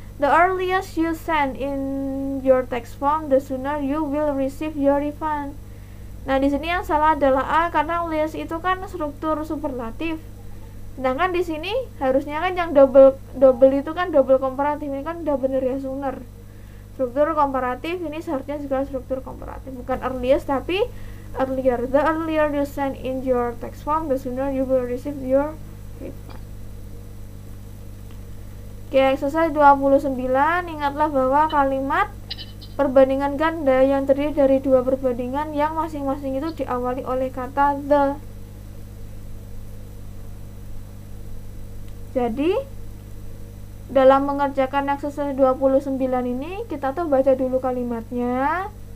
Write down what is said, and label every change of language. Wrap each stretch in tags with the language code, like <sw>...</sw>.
<en>The earliest you send in your text form, the sooner you will receive your refund.</en> <id>Nah, di sini yang salah adalah A, karena earliest itu kan struktur superlatif. Sedangkan di sini harusnya kan yang double double itu kan double comparative, ini kan udah bener ya, sooner. Struktur komparatif ini seharusnya juga struktur komparatif, bukan earliest tapi earlier.</id> <en>The earlier you send in your text form, the sooner you will receive your refund.</en> <id>Oke, exercise 29, ingatlah bahwa kalimat perbandingan ganda yang terdiri dari dua perbandingan yang masing-masing itu diawali oleh kata the. Jadi, dalam mengerjakan exercise 29 ini, kita tuh baca dulu kalimatnya.</id>